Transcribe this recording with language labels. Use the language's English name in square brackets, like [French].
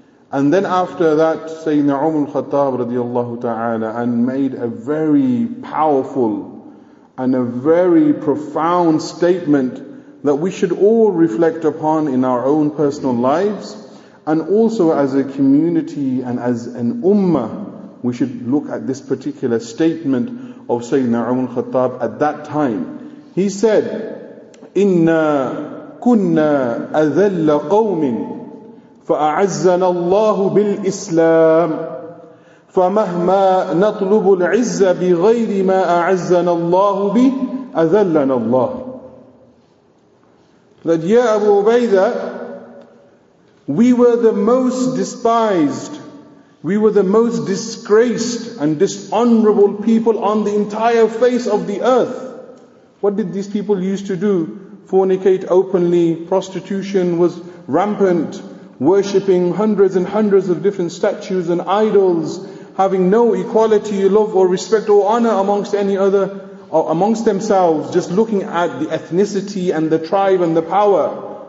[English] And then after that, Sayyidina Umar al-Khattab radiallahu ta'ala and made a very powerful and a very profound statement that we should all reflect upon in our own personal lives, and also as a community and as an ummah, we should look at this particular statement of Sayyidina Umar al-Khattab at that time. He said, [Arabic] "Inna kunna adhalla qawmin, فَأَعَزَّنَا اللَّهُ بِالْإِسْلَامِ فَمَهْمَا نَطْلُبُ الْعِزَّ بِغَيْرِ مَا أَعَزَّنَا اللَّهُ بِهِ أَذَلَّنَا اللَّهُ." [English] That, yeah, Abu Ubaidah, we were the most despised, we were the most disgraced and dishonorable people on the entire face of the earth. What did these people used to do? Fornicate openly, prostitution was rampant, worshipping hundreds and hundreds of different statues and idols, having no equality, love or respect or honor amongst any other, or amongst themselves, just looking at the ethnicity and the tribe and the power.